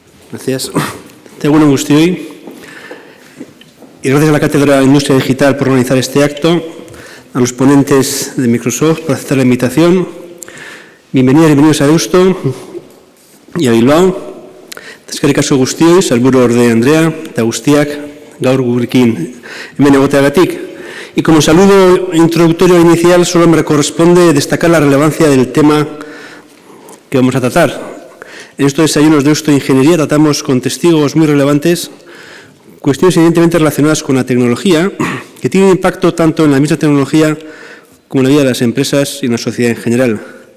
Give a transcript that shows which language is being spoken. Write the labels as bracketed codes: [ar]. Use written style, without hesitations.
[es] Gracias. Tengo un gusto hoy. Y gracias a la Cátedra de Industria Digital por organizar este acto, a los ponentes de Microsoft por aceptar la invitación. Bienvenidas y bienvenidos a Deusto y a Bilbao. [eu] Eskerrik asko guztioi, salburu orde Andrea, eta guztiak, gaur gurekin, hemen egoteagatik. [es] Y como saludo introductorio inicial, solo me corresponde destacar la relevancia del tema que vamos a tratar. En estos desayunos de Deusto Ingeniería tratamos con testigos muy relevantes cuestiones evidentemente relacionadas con la tecnología, que tienen impacto tanto en la misma tecnología como en la vida de las empresas y en la sociedad en general.